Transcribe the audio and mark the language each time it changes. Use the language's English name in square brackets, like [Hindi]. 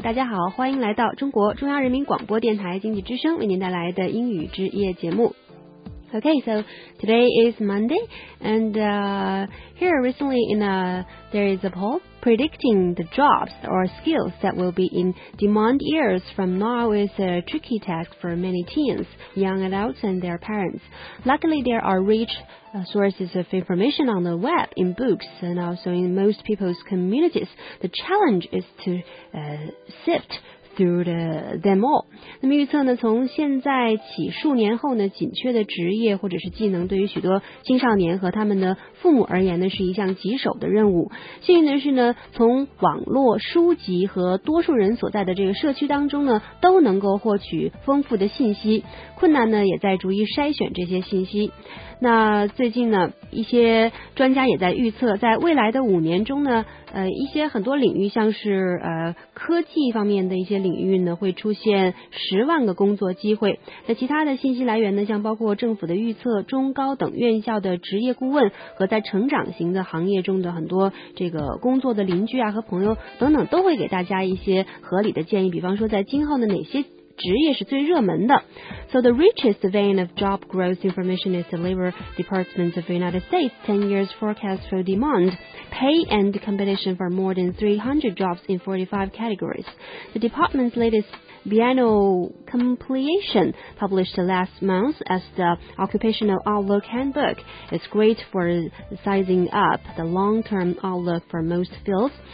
[Chinese] 大家好，欢迎来到中国中央人民广播电台经济之声为您带来的英语之夜节目。 [English] Okay, so today is Monday, and here recently there is a poll predicting the jobs or skills that will be in demand years from now is a tricky task for many teens, young adults, and their parents. Luckily, there are rich sources of information on the web, in books, and also in most people's communities. The challenge is to sift. Through them all. [Chinese] 那么预测呢，从现在起数年后呢，紧缺的职业或者是技能对于许多青少年和他们的父母而言呢，是一项棘手的任务。幸运的是呢，从网络、书籍和多数人所在的这个社区当中呢，都能够获取丰富的信息。困难呢，也在逐一筛选这些信息。那最近呢，一些专家也在预测，在未来的五年中呢，一些很多领域，像是科技方面的一些领域呢，会出现10万个工作机会。那其他的信息来源呢，像包括政府的预测、中高等院校的职业顾问和在成长型的行业中的很多这个工作的邻居啊和朋友等等，都会给大家一些合理的建议。比方说，在今后的哪些职业是最热门的。 [English] So the richest vein of job growth information is the Labor Department of the United States 10 years forecast for demand, pay and competition for more than 300 jobs in 45 categories. The department's latest biannual compilation published last month as the Occupational Outlook Handbook is great for sizing up the long-term outlook for most fields.